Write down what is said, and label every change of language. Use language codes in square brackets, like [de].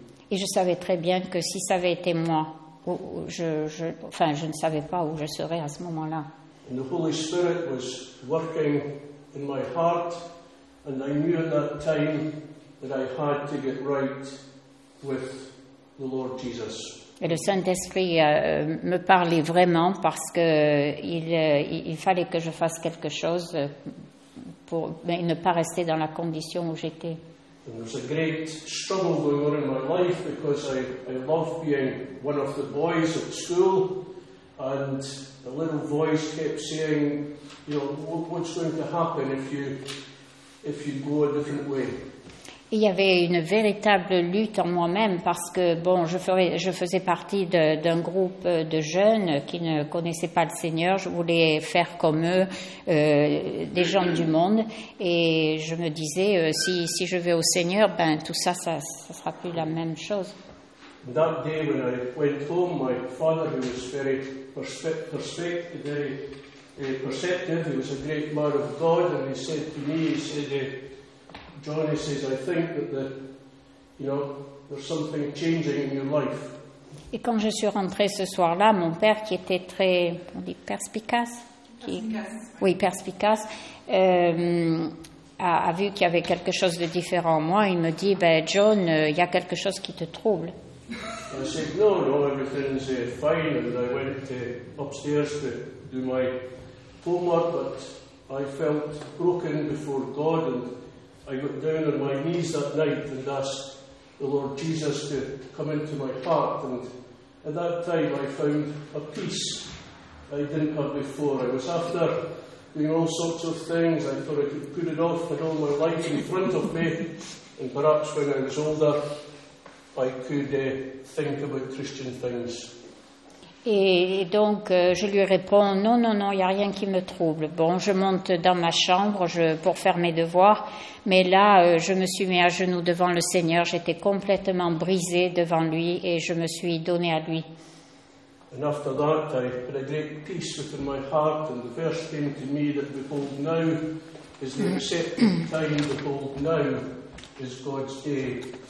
[fr] Et je savais très bien que si ça avait été moi, je ne savais pas où je serais à ce moment-là. [en] And the Holy Spirit was working in my heart, and I knew at that time that I had to get right with the Lord Jesus. [fr] Et le Saint-Esprit me parlait vraiment parce que il fallait que je fasse quelque chose pour ne pas rester dans la condition où j'étais. [en] And there was a great struggle going on in my life because I loved being one of the boys at school, and a little voice kept saying, you know, what's going to happen if you if you go a different way. [fr] Il y avait une véritable lutte en moi-même parce que, bon, je faisais partie d'un groupe de jeunes qui ne connaissaient pas le Seigneur. Je voulais faire comme eux, des gens du monde. Et je me disais, si je vais au Seigneur, ben, tout ça, ça ne sera plus la même chose. [en] And that day when I went home, my father, who was very perceptive, he was a great man of God, and he said to me, Johnny, I think that there's something changing in your life. [fr] Et quand je suis rentrée ce soir-là, mon père, qui était très, on dit perspicace, a vu qu'il y avait quelque chose de différent en moi. Il me dit, ben John, il y a quelque chose qui te trouble. [en] I said, no, everything's fine, and I went upstairs to do my homework, but I felt broken before God, and I got down on my knees that night and asked the Lord Jesus to come into my heart, and at that time I found a peace I didn't have before. I was after doing all sorts of things. I thought I could put it off with all my life in front of me, and perhaps when I was older I could think about Christian things. [fr] Et donc, je lui réponds, non, il n'y a rien qui me trouble. Bon, je monte dans ma chambre pour faire mes devoirs, mais là, je me suis mis à genoux devant le Seigneur, j'étais complètement brisée devant lui et je me suis donnée à lui. [en] And after that, I had a great peace within my heart, and the verse came to me that behold now is the accepted time, behold now is God's day.